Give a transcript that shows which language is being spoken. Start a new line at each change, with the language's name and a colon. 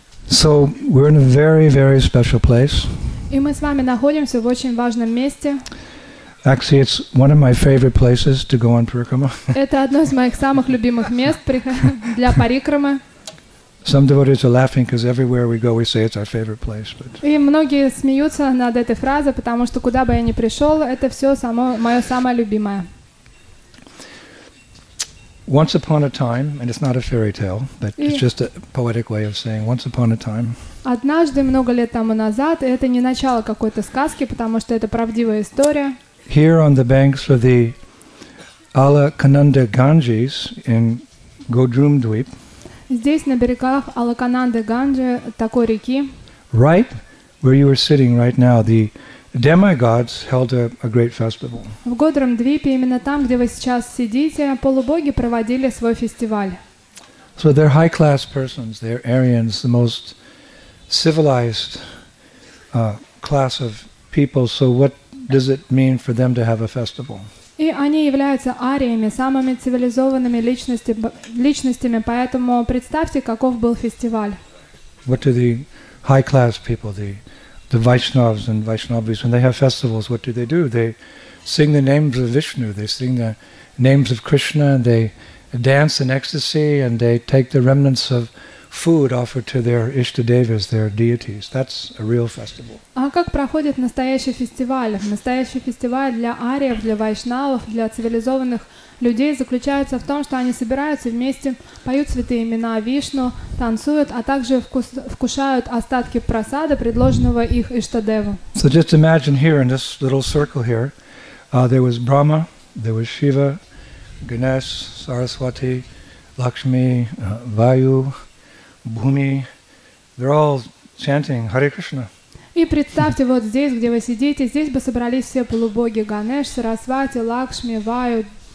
English: So we're in a very, very special place.
Russian: И мы с вами находимся в очень важном месте.
English: Actually, it's one of my favorite places to go on parikrama.
Russian: Это одно из моих самых любимых мест для парикрамы.
English: Some devotees are laughing because everywhere we go, we say it's our favorite place. But
Russian: и многие смеются над этой фразой, потому что куда бы я ни пришел, это все само мое самое любимое.
English: Once upon a time, and it's not a fairy tale, but it's just a poetic way of saying once upon a time.
Russian: Однажды много лет тому назад, это не начало какой-то сказки, потому что это правдивая история.
English: Here on the banks of the Alaknanda Ganges in Godrumdweep.
Russian: Здесь на берегах Алакананды Ганджи такой реки.
English: Right where you are sitting right now, the demigods held a great festival.
Russian: В Годрумдвипе, именно там, где вы сейчас сидите, полубоги проводили свой фестиваль.
English: So they're high-class persons, they're Aryans, the most civilized class of people. So what does it mean for them to have a festival?
Russian: И они являются ариями, самыми цивилизованными личностями, поэтому представьте, каков был фестиваль.
English: What do the high-class people, the Vaishnavas and Vaishnavis, when they have festivals, what do? They sing the names of Vishnu, they sing the names of Krishna, and they dance in ecstasy, and they take the remnants of food offered to their Ishtadevas, their deities. That's a real festival.
Russian: А как проходит настоящий фестиваль? Настоящий фестиваль для ариев, для вайшнавов, для цивилизованных людей заключается в том, что они собираются вместе, поют святые имена Вишну, танцуют, а также вкушают остатки просада, предложенного их Иштадеву.
English: So just imagine here in this little circle here, there was Brahma, there was Shiva, Ganesh, Saraswati, Lakshmi, Vayu, Bhumi, they're all chanting Hare Krishna.
Russian: И представьте, вот здесь, где вы сидите, здесь бы собрались все полубоги Ганеш, Сарасвати, Лакшми, Ваю.